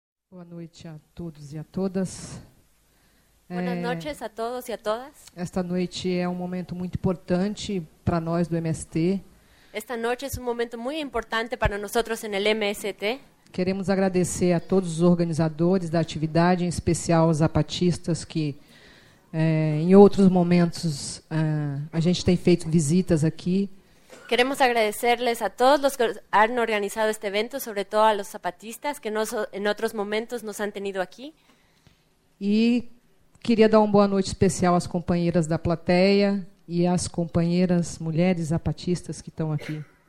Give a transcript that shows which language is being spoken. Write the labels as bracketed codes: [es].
[pt] Boa noite a todos e a todas. [es] Buenas noches a todos y a todas. [pt] Esta noite é um momento muito importante para nós do MST. Esta noite é um momento muito importante para nós no MST. Queremos agradecer a todos os organizadores da atividade, em especial os zapatistas, que em outros momentos a gente tem feito visitas aqui. [es] Queremos agradecerles a todos los que han organizado este evento, sobre todo a los zapatistas que en otros momentos nos han tenido aquí. Y quería dar una buena noche especial a las compañeras de la plateia y a las compañeras mujeres zapatistas que están aquí.